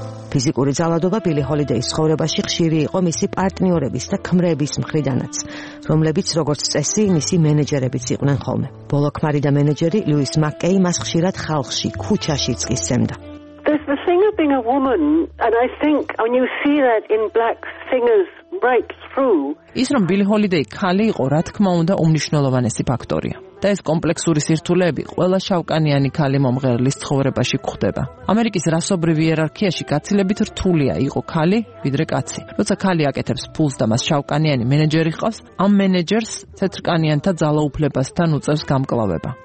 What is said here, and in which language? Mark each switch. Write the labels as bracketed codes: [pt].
[ka] ფიზიკური ძალადობა ბილი ჰოლიდეის ცხოვრებაში ხშირი იყო მისი პარტნიორების და ქმრების მხრიდანაც, რომლებიც როგორც წესი მისი მენეჯერებიც იყვნენ ხოლმე. ბოლოქმარი და მენეჯერი ლუის მაკეი მას ხშირად ხალხში, ქუჩაშიც კი სცემდა. [en] There's the thing of being a woman, and I think when you see that in black singers breaks through. [ka] ის რომ ბილი ჰოლიდეი ქალი იყო, რა თქმა უნდა, უმნიშვნელოვანესი ფაქტორია. და ეს კომპლექსური სირთულეები ყველა შავკანიანი ქალი მომღერლის ცხოვრებაში გვხვდება. ამერიკის რასობრივი იერარქიაში გაცილებით რთულია იყო ქალი ვიდრე კაცი. როცა ქალი აკეთებს ფულს და მას შავკანიანი მენეჯერი ჰყავს, ამ მენეჯერს თეთრკანიანთა ძალაუფლებასთან უწევს გამკლავება.